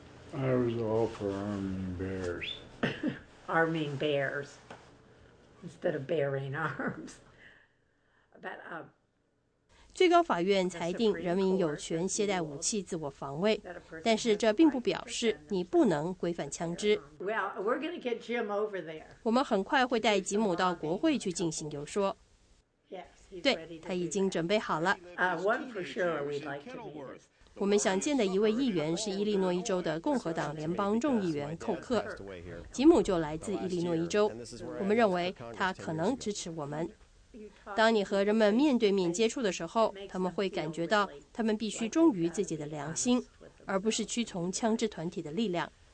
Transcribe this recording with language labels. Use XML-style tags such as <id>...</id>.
<en>I was all for arming bears. arming bears instead of bearing arms. But,</en> <zh>最高法院裁定人民有权携带武器自我防卫，但是这并不表示你不能规范枪支。</zh> <en>Well, we're going to get Jim over there.</en> <zh>我们很快会带吉姆到国会去进行游说。对，他已经准备好了。</zh> <en>One for sure we'd like to be there.</en> <zh>我们想见的一位议员是伊利诺伊州的共和党联邦众议员寇克，吉姆就来自伊利诺伊州，我们认为他可能支持我们。当你和人们面对面接触的时候，他们会感觉到他们必须忠于自己的良心，而不是屈从枪支团体的力量。</zh>